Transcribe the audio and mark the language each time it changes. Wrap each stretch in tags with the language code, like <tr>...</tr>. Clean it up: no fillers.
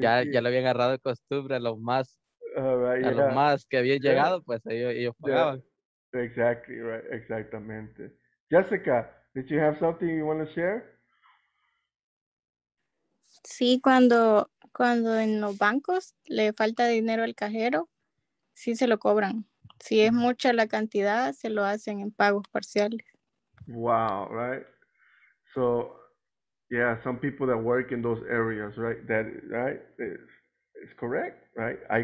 <es>ya, ya lo había agarrado costumbre a los más.</es> <en>All right,</en> <es>a los más que habían llegado, pues ellos pagaban.</es> <en>Yeah. Exactly, right,</en> <es>exactamente.</es> <en>Jessica, did you have something you want to share?</en> <es>Sí, cuando en los bancos le falta dinero al cajero, sí se lo cobran. Si es mucha la cantidad, se lo hacen en pagos parciales.</es> <en>Wow, right? So, yeah, some people that work in those areas, right? That, right? It's correct, right?</en>